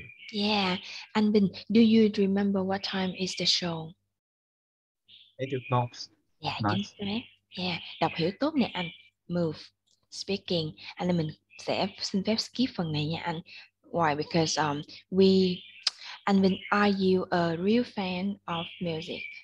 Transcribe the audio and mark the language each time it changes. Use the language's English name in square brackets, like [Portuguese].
[English] Yeah, and then do you remember what time is the show? 8 o'clock. Yeah, nice. [Vietnamese] Yeah, đọc hiểu tốt nè anh. [English] Move, speaking, and then [Vietnamese] mình sẽ xin phép skip phần này nha anh. [English] Why? Because we. And then, are you a real fan of music?